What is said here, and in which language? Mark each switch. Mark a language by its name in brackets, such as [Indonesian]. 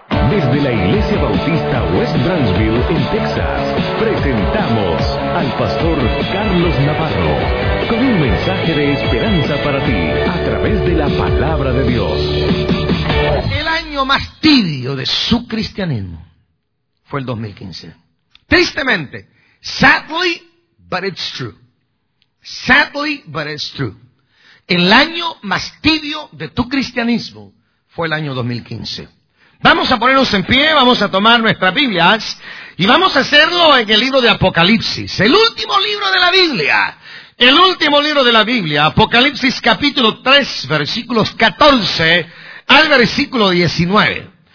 [Spanish] desde la Iglesia Bautista West Branchville en Texas, presentamos al Pastor Carlos Navarro con un mensaje de esperanza para ti a través de la Palabra de Dios. El año más tibio de su cristianismo fue el 2015. Tristemente, [English] sadly, but it's true. Sadly, but it's true. [Spanish] El año más tibio de tu cristianismo fue el año 2015. Vamos a ponernos en pie, vamos a tomar nuestras Biblias y vamos a hacerlo en el libro de Apocalipsis, el último libro de la Biblia. El último libro de la Biblia, Apocalipsis capítulo 3, versículos 14 al versículo 19.